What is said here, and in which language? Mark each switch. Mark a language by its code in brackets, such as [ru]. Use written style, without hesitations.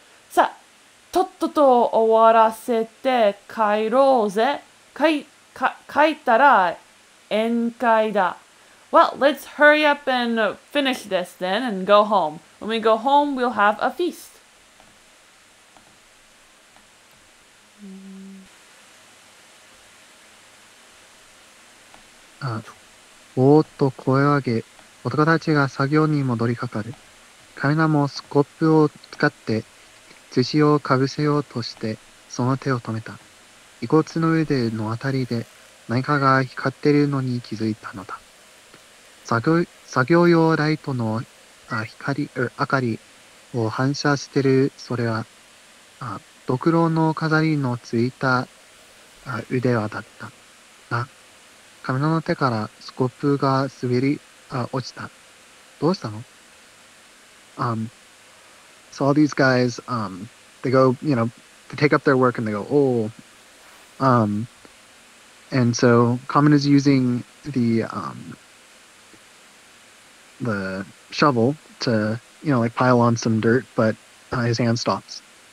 [ja] さあ、とっとと終わらせて帰ろうぜ。帰ったら宴会だ。 [en] Well, let's hurry up and finish this then and go home. When we go home, we'll have a feast. [ja] おーっと声を上げ。男たちが作業に戻りかかる。カミナもスコップを使って、土をかぶせようとして、その手を止めた。遺骨の上でのあたりで、何かが光っているのに気づいたのだ。作業用ライトの明かりを反射してる、それは、ドクロの飾りのついた腕輪だった。あ、カミナの手からスコップが滑り、落ちた。どうしたの? [en] So all these guys, they go, you know, they take up their work and they go, oh. And so Common is using the shovel to, you know, like pile on some dirt, but his hand stops.